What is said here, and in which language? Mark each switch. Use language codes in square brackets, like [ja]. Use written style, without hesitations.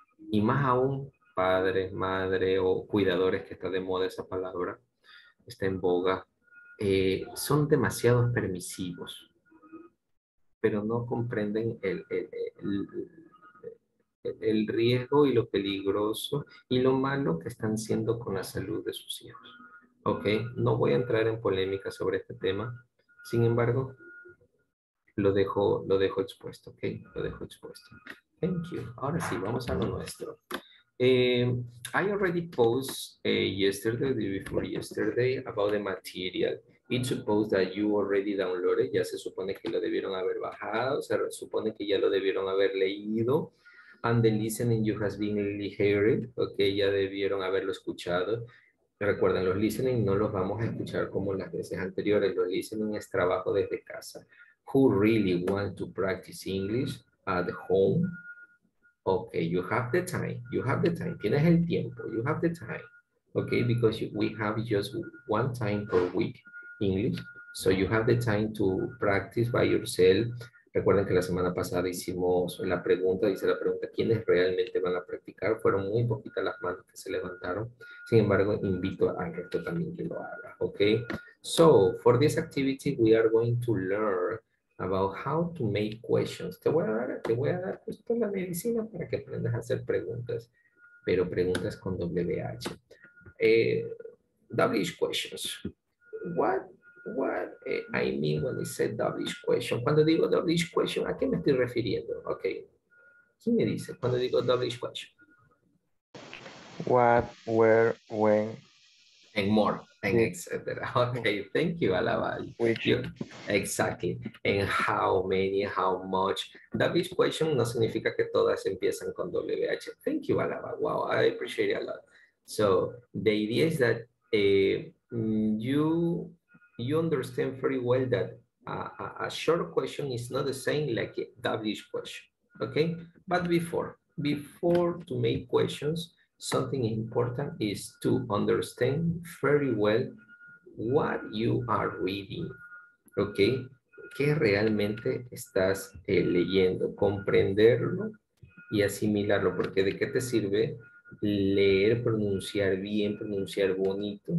[es] Y más aún, padre, madre o cuidadores, que está de moda esa palabra, está en boga, son demasiado permisivos, pero no comprenden el riesgo y lo peligroso y lo malo que están siendo con la salud de sus hijos. Ok, no voy a entrar en polémica sobre este tema, sin embargo, lo dejo expuesto, ok, lo dejo expuesto. [en] Thank you. [es] Ahora sí, vamos a lo nuestro. [en] I already posted yesterday, the before yesterday, about the material. It's supposed that you already downloaded, [es] ya se supone que lo debieron haber bajado, se supone que ya lo debieron haber leído. [en] And the listening you has been heard, okay, [es] ya debieron haberlo escuchado. Recuerden, los listening no los vamos a escuchar como las veces anteriores. Los listening es trabajo desde casa. [en] Who really wants to practice English at home? Okay, you have the time. You have the time. [es] Tienes el tiempo. [en] You have the time. Okay, because we have just one time per week English. So you have the time to practice by yourself. [es] Recuerden que la semana pasada hice la pregunta, ¿quiénes realmente van a practicar? Fueron muy poquitas las manos que se levantaron. Sin embargo, invito al resto también que lo haga, ¿ok? [en] So, for this activity, we are going to learn about how to make questions. [es] Te voy a dar pues, toda la medicina para que aprendas a hacer preguntas, pero preguntas con WH. [en] WH questions. What I mean when I say WH question? [es] Cuando digo WH question, ¿a qué me estoy refiriendo? Okay. ¿Quién me dice cuando digo WH question? [en] What, where, when, and more, and etc. Okay, thank you, Alaba. Which? Exactly. And how many, how much. [es] WH question no significa que todas empiezan con WH. [en] Thank you, Alaba. Wow, I appreciate it a lot. So, the idea is that you understand very well that a short question is not the same like a WH question. Okay? But before to make questions, something important is to understand very well what you are reading, okay? [es] ¿Qué realmente estás leyendo? Comprenderlo y asimilarlo, porque ¿de qué te sirve leer, pronunciar bien, pronunciar bonito?